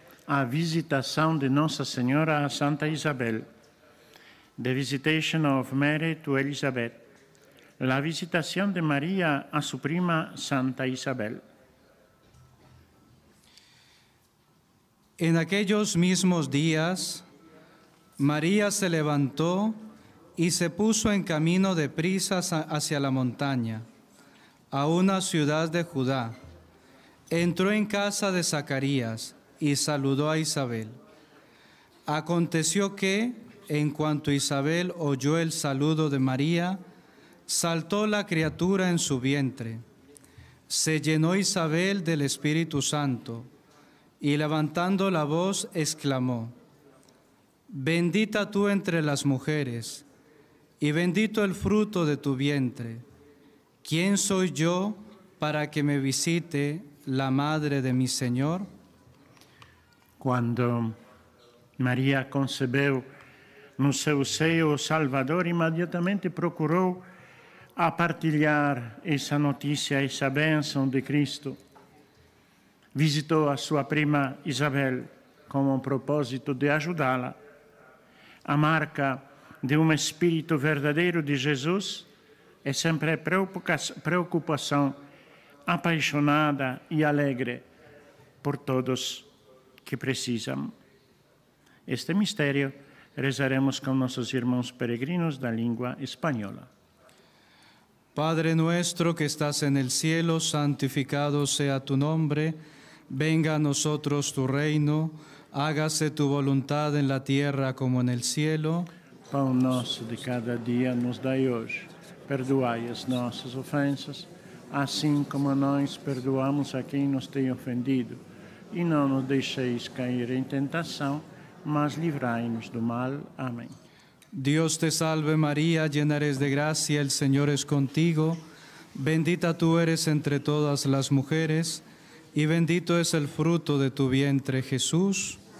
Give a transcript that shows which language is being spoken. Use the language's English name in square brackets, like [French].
[Portuguese] a visitação de Nossa Senhora a Santa Isabel. [English] The Visitation of Mary to Elizabeth. [Spanish] La visitación de María a su prima Santa Isabel. En aquellos mismos días, María se levantó y se puso en camino de prisa hacia la montaña, a una ciudad de Judá. Entró en casa de Zacarías y saludó a Isabel. Aconteció que, en cuanto Isabel oyó el saludo de María, saltó la criatura en su vientre. Se llenó Isabel del Espíritu Santo y levantando la voz exclamó: Bendita tú entre las mujeres y bendito el fruto de tu vientre. ¿Quién soy yo para que me visite la madre de mi Señor? [Portuguese] Quando Maria concebeu no seu seio o Salvador, imediatamente procurou a partilhar essa notícia, essa bênção de Cristo. Visitou a sua prima Isabel com o propósito de ajudá-la. A marca de espírito verdadeiro de Jesus é sempre preocupação apaixonada e alegre por todos que precisam. Este mistério rezaremos com nossos irmãos peregrinos da língua espanhola. [Spanish] Padre nuestro que estás en el cielo, santificado sea tu nombre. Venga a nosotros tu reino. Hágase tu voluntad en la tierra como en el cielo. [Portuguese] Pão nosso de cada dia nos dai hoje. Perdoai as nossas ofensas, assim como nós perdoamos a quem nos tem ofendido. E não nos deixeis cair em tentação, mas livrai-nos do mal. Amém. [Spanish] Dios te salve María, llena eres de gracia, el Señor es contigo. Bendita tú eres entre todas las mujeres y bendito es el fruto de tu vientre, Jesús.